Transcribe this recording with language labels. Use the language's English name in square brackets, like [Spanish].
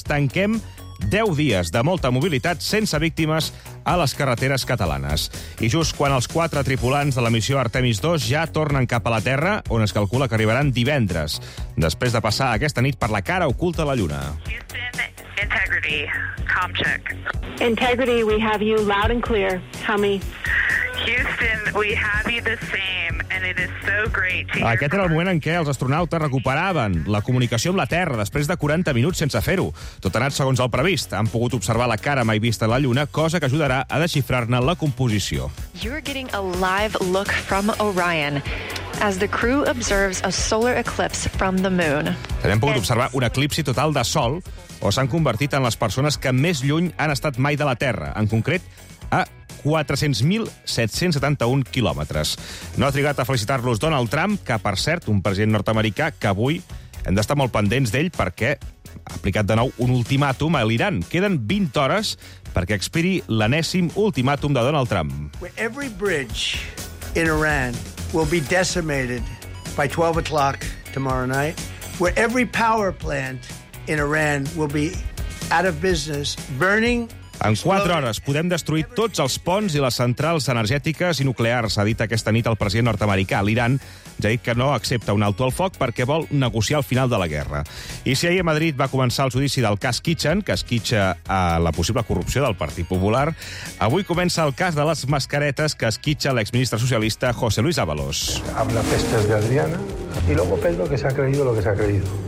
[Catalan] Tanquem 10 dies de molta mobilitat sense víctimes a les carreteres catalanes. I just quan els 4 tripulants de la missió Artemis 2 ja tornen cap a la Terra, on es calcula que arribaran divendres, després de passar aquesta nit per la cara oculta de la Lluna. [English] Integrity, com check. Integrity, we have you loud and clear. Tell me. Houston, we have you the same, and it is so great to hear. [Catalan] Aquest era el moment en què els astronautes recuperaven la comunicació amb la Terra després de 40 minuts sense fer-ho. Tot ha anat segons el previst. Han pogut observar la cara mai vista a la Lluna, cosa que ajudarà a desxifrar-ne la composició. [English] You're getting a live look from Orion as the crew observes a solar eclipse from the moon. [Catalan] També hem pogut observar un eclipsi total de sol, o s'han convertit en les persones que més lluny han estat mai de la Terra, en concret a 400.771 quilòmetres. No ha trigat a felicitar-los Donald Trump, que, per cert, un president nord-americà, que avui hem d'estar molt pendents d'ell perquè ha aplicat de nou un ultimàtum a l'Iran. Queden 20 hores perquè expiri l'enèsim ultimàtum de Donald Trump. [English] Every bridge in Iran will be decimated by 12 o'clock tomorrow night. Where every power plant in Iran will be out of business, burning. [Catalan] En 4 hores podem destruir tots els ponts i les centrals energètiques i nuclears, ha dit aquesta nit el president nord-americà. L'Iran ja ha dit que no accepta un alto el foc perquè vol negociar el final de la guerra. I si ahir a Madrid va començar el judici del cas Kitchen, que esquitxa a la possible corrupció del Partit Popular, avui comença el cas de les mascaretes que esquitxa l'exministre socialista José Luis Ábalos. [Spanish] Habla pestes de Adriana y luego Pedro que se ha creído lo que se ha creído.